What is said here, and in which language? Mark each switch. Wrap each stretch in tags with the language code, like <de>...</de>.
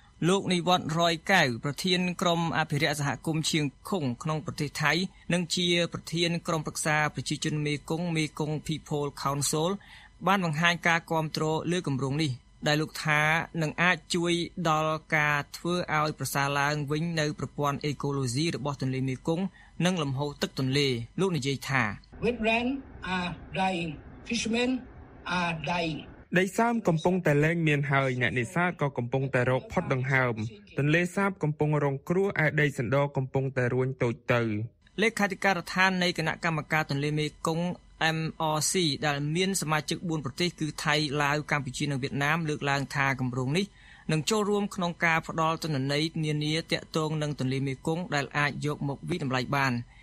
<km>លោកនិវត្ត109ប្រធានក្រុមអភិរក្សសហគមន៍ឈៀងខុងក្នុងប្រទេសថៃនិងជាប្រធានក្រុមប្រឹក្សាប្រជាជនមេគង្គ Mekong People Council បានបង្ហាញការគាំទ្រលើគម្រោងនេះដែលលោកថានឹងអាចជួយដល់ការធ្វើឲ្យប្រសើរឡើងវិញនៅប្រព័ន្ធអេកូឡូស៊ីរបស់ទន្លេមេគង្គនិងលំហូរទឹកទន្លេលោកនិយាយថា</km> <en>Wetland are dying, fishermen are dying.</en> <km>ដីសើមកំពុងតែលែងមានហើយអ្នកនេសាទក៏កំពុងតែរកផុតដង្ហើមទន្លេសាបកំពុងរងគ្រោះឯដីសណ្ដកំពុងតែរួញតូចទៅ លេខាធិការដ្ឋាននៃគណៈកម្មការទន្លេមេគង្គ MRC ដែលមានសមាជិក4ប្រទេសគឺថៃឡាវកម្ពុជានិងវៀតណាមលើកឡើងថាគម្រោងនេះនឹងចូលរួមក្នុងការផ្ដល់ទុនណីនានាតាក់ទងនឹងទន្លេមេគង្គដែលអាចយកមកវិតម្លៃបាន</km>